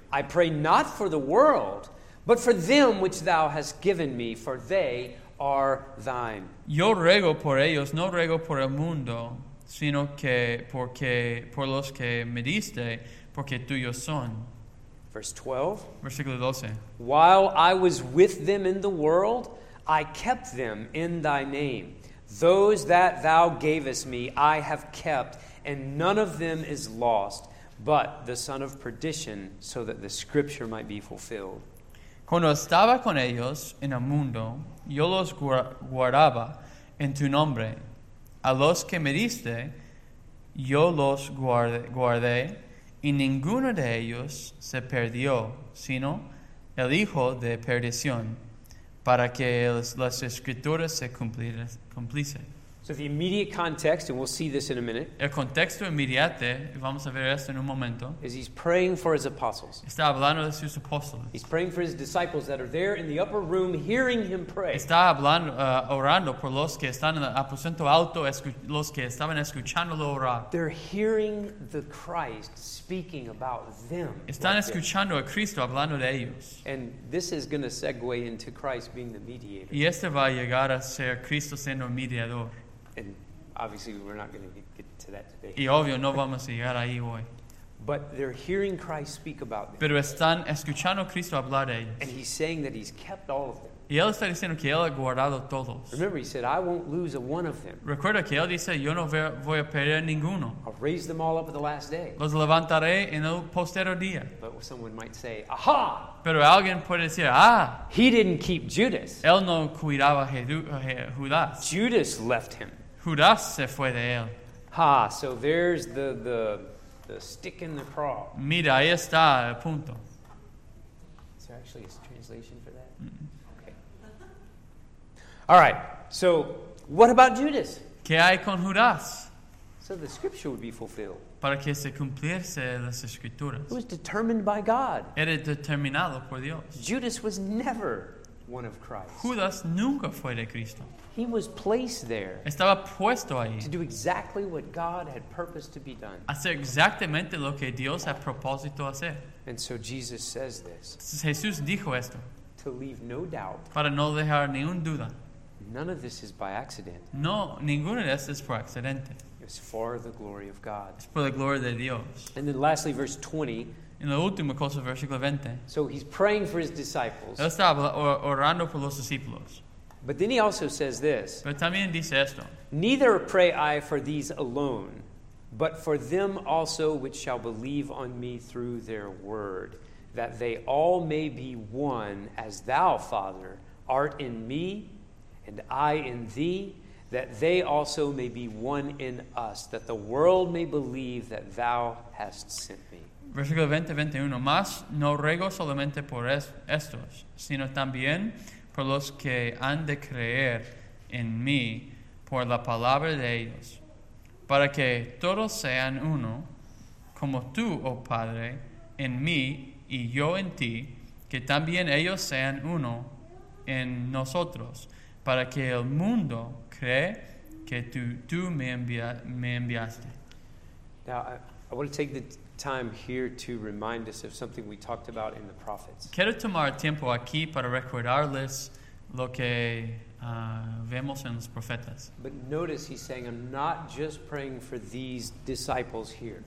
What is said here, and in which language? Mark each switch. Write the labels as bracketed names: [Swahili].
[English] I pray not for the world, but for them which thou hast given me, for they are thine. [Spanish] Yo ruego por ellos, no ruego por el mundo, sino que porque por los que me diste, porque tuyos son. [English] Verse 12. [Spanish] Versículo 12. [English] While I was with them in the world, I kept them in thy name. Those that thou gavest me, I have kept, and none of them is lost, but the son of perdition, so that the scripture might be fulfilled. [Spanish] Cuando estaba con ellos en el mundo, yo los guardaba en tu nombre. A los que me diste, yo los guardé. Y ninguno de ellos se perdió, sino el hijo de perdición, para que las escrituras se cumpliesen. [English] So the immediate context, and we'll see this in a minute. [Spanish] El contexto inmediato, y vamos a ver esto en un momento. [English] Is he's praying for his apostles. [Spanish] Está hablando de sus apóstoles. [English] He's praying for his disciples that are there in the upper room hearing him pray. [Spanish] Está hablando, orando por los que están en el aposento alto, los que estaban escuchándolo orar. [English] They're hearing the Christ speaking about them. [Spanish] Están escuchando a Cristo hablando de ellos. [English] And this is going to segue into Christ being the mediator. [Spanish] Y este va a llegar a ser Cristo siendo mediador. [English] And obviously we're not going to get to that today. [Spanish] Y obvio, no vamos a llegar ahí hoy. [English] But they're hearing Christ speak about them. [Spanish] Pero están escuchando a Cristo hablar de ellos. [English] And he's saying that he's kept all of them. [Spanish] Y él está diciendo que él ha guardado todos. [English] Remember, he said, I won't lose a one of them. [Spanish] Recuerda que él dice, yo no voy a perder ninguno. [English] I'll raise them all up at the last day. [Spanish] Los levantaré en el postero día. [English] But someone might say, aha! [Spanish] Pero alguien puede decir, ah! [English] He didn't keep Judas. [Spanish] Él no cuidaba a Judas. [English] Judas left him. [Spanish] Judas se fue de él. [English] Ha! So there's the stick in the craw. [Spanish] Mira, ahí está el punto. [English] Is there actually a translation for that? Mm-hmm. All right, so what about Judas? [Spanish] ¿Qué hay con Judas? [English] So the scripture would be fulfilled. [Spanish] Para que se cumpliese las escrituras. [English] It was determined by God. [Spanish] Era determinado por Dios. [English] Judas was never one of Christ. [Spanish] Judas nunca fue de Cristo. [English] He was placed there. [Spanish] Estaba puesto ahí. [English] To do exactly what God had purposed to be done. [Spanish] Hacer exactamente lo que Dios ha propósito hacer. [English] And so Jesus says this. [Spanish] Jesús dijo esto. [English] To leave no doubt. [Spanish] Para no dejar ninguna duda. [English] None of this is by accident. [Spanish] No, ninguno de estos es por accidente. [English] It's for the glory of God. [Spanish] Es por la gloria de Dios. [English] And then lastly, verse 20. [Spanish] En la última cosa, versículo 20. [English] So he's praying for his disciples. [Spanish] Él está orando por los discípulos. [English] But then he also says this. [Spanish] Pero también dice esto. [English] Neither pray I for these alone, but for them also which shall believe on me through their word, that they all may be one as thou, Father, art in me, and I in thee, that they also may be one in us, that the world may believe that thou hast sent me. [Spanish] Versículo 20, 21. Mas no ruego solamente por estos, sino también por los que han de creer en mí por la palabra de ellos, para que todos sean uno, como tú, oh Padre, en mí y yo en ti, que también ellos sean uno en nosotros, para que el mundo cree que tú me enviaste. [English] Now, I want to take the time here to remind us of something we talked about in the prophets. [Spanish] Quiero tomar tiempo aquí para recordarles lo que vemos en los profetas. [English] But notice he's saying, I'm not just praying for these disciples here.